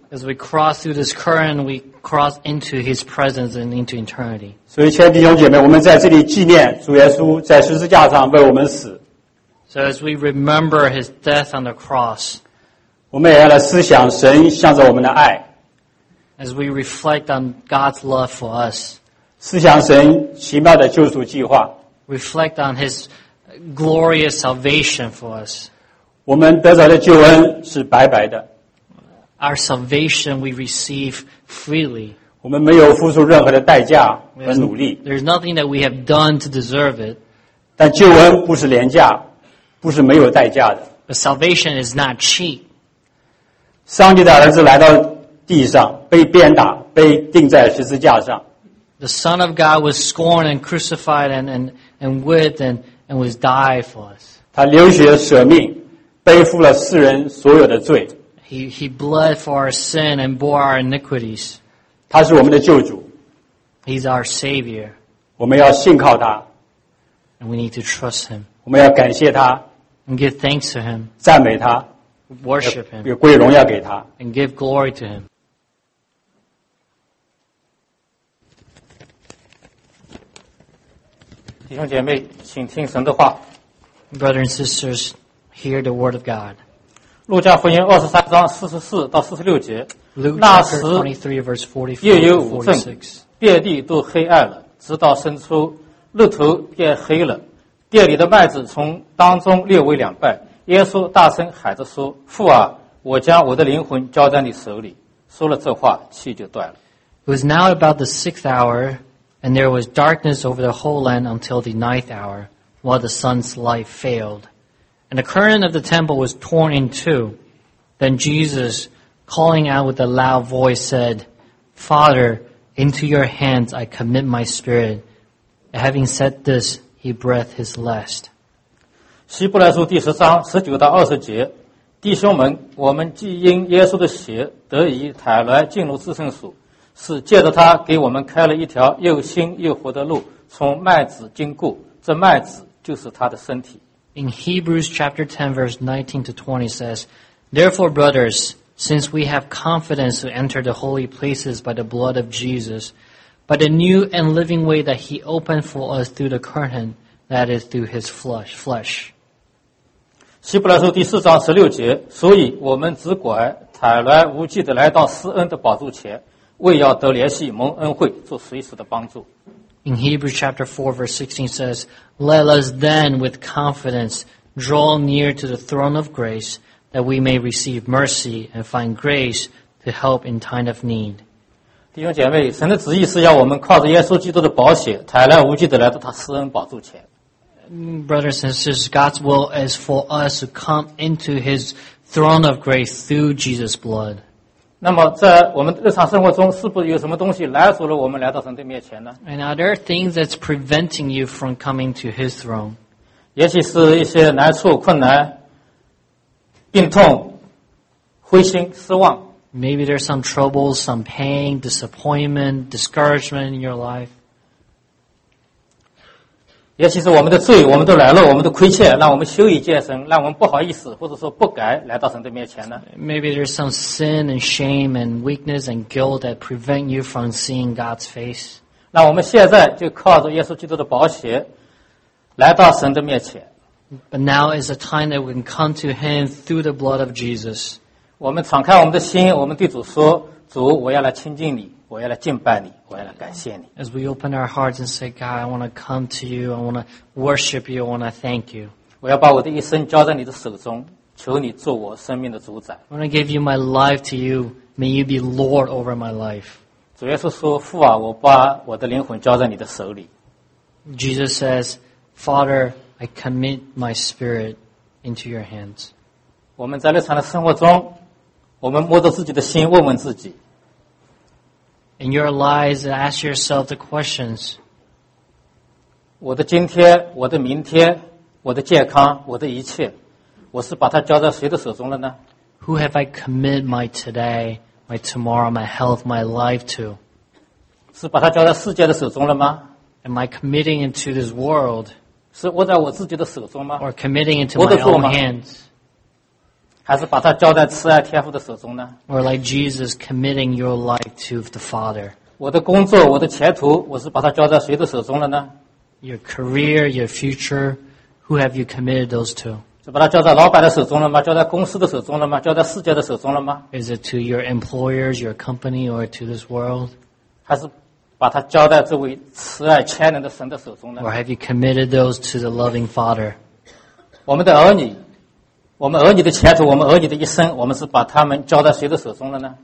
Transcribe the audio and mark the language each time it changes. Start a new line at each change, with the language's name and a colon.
English: As we cross through this current, we cross into His presence and into eternity.
Chinese: 所以，亲爱的弟兄姐妹，我们在这里纪念主耶稣在十字架上为我们死。
English: So as we remember His death on the cross,
Chinese: 我们也要来思想神向着我们的爱。
English: As we reflect on God's love for us,
Chinese: 思想神奇妙的救赎计划。
English: Reflect on His glorious salvation for us.
Chinese: 我们得着的救恩是白白的。
English: Our salvation we receive freely.
Chinese: 我们没有付出任何的代价和努力。
English: There's nothing that we have done to deserve it.
Chinese: 但救恩不是廉价，不是没有代价的。
English: But salvation is not cheap.
Chinese: 上帝的儿子来到地上，被鞭打，被钉在十字架上。
English: The Son of God was scorned and crucified and whipped and was died for us.
Chinese: 他流血舍命，背负了世人所有的罪。
English: He bled for our sin and bore our iniquities.
Chinese: 他是我们的救主。
English: He's our Savior.
Chinese: 我们要信靠他。
English: And we need to trust Him.
Chinese: 我们要感谢他。
English: And give thanks to Him.
Chinese: 赞美他。
English: Worship Him.
Chinese: 也归荣耀给他。
English: And give glory to Him.
Chinese: 弟兄姐妹，请听神的话。
English: Brothers and sisters, hear the word of God.
Chinese: 路加福音23:44-46 那时夜有五阵，遍地都黑暗了，直到伸出日头变黑了，店里的麦子从当中裂为两半。耶稣大声喊着说：“父啊，我将我的灵魂交在你手里。” 说了这话，气就断了。
English: It was now about the sixth hour, and there was darkness over the whole land until the ninth hour, while the sun's light failed. And the curtain of the temple was torn in two. Then Jesus, calling out with a loud voice, said, Father, into your hands I commit my spirit. And having said this, he breathed his last.
Chinese: 希伯来书第十章19-20弟兄们，我们既因耶稣的血得以坦然进入至圣所，是借着他给我们开了一条又新又活的路，从麦子经过，这麦子就是他的身体。
English: In Hebrews chapter 10, verse 19-20 says, Therefore, brothers, since we have confidence to enter the holy places by the blood of Jesus, by the new and living way that He opened for us through the curtain, that is through His flesh.
Chinese: 希伯来书第四章十六节，所以我们只管坦然无惧地来到施恩的宝座前，为要得怜惜蒙恩惠，做随时的帮助。
English: In Hebrews chapter 4, verse 16 says, Let us then with confidence draw near to the throne of grace that we may receive mercy and find grace to help in time of need.
Chinese: 弟兄姐妹，神的旨意是要我们靠着耶稣基督的宝血坦然无惧地来到他施恩宝座前。
English: Brothers and sisters, God's will is for us to come into His throne of grace through Jesus' blood.
Chinese: 那么在我们日常生活中是不是有什么东西拦阻了我们来到神的面前呢？
English: And are there things that's preventing you from coming to His throne?
Chinese: 也许是一些难处、困难、病痛、灰心、失望。
English: Maybe there's some troubles, some pain, disappointment, discouragement in your life.
Chinese: 也许是我们的罪、我们的软弱、我们的亏欠，让我们羞于见神，让我们不好意思，或者说不敢来到神的面前呢？
English: Maybe there's some sin and shame and weakness and guilt that prevent you from seeing God's face.
Chinese: 那我们现在就靠着耶稣基督的宝血来到神的面前。
English: But now is a time that we can come to Him through the blood of Jesus.
Chinese: 我们敞开我们的心，我们对主说：“主，我要来亲近你。” 我要来敬拜你，我要来感谢你。
English: As we open our hearts and say, God, I want to come to you, I want to worship you, I want to thank you.
Chinese: 我要把我的一生交在你的手中，求你做我生命的主宰。
English: I want to give you my life to you, may you be Lord over my life.
Chinese: 主耶稣说，父啊，我把我的灵魂交在你的手里。
English: Jesus says, Father, I commit my spirit into your hands.
Chinese: 我们在日常的生活中，我们摸着自己的心，问问自己。
English: In your lives, ask yourself the questions.
Chinese: 我的今天，我的明天，我的健康，我的一切，我是把它交在谁的手中了呢？
English: Who have I committed my today, my tomorrow, my health, my life to?
Chinese: 是把它交在世界的手中了吗？
English: Am I committing into this world?
Chinese: 是握在我自己的手中吗？
English: Or committing into my own hands?
Chinese: 还是把它交在慈爱天父的手中呢?
English: Or like Jesus committing your life to the Father.
Chinese: 我的工作,我的前途,我是把它交在谁的手中了呢?
English: Your career, your future, who have you committed those to?
Chinese: 是把它交在老板的手中了吗? 交在公司的手中了吗?交在世界的手中了吗?
English: Is it to your employers, your company, or to this world?
Chinese: 还是把它交在这位慈爱全能的神的手中呢?
English: Or have you committed those to the loving Father?
Chinese: 我们的儿女, 我们儿女的前途, 我们儿女的一生, 我们是把他们交在谁的手中了呢?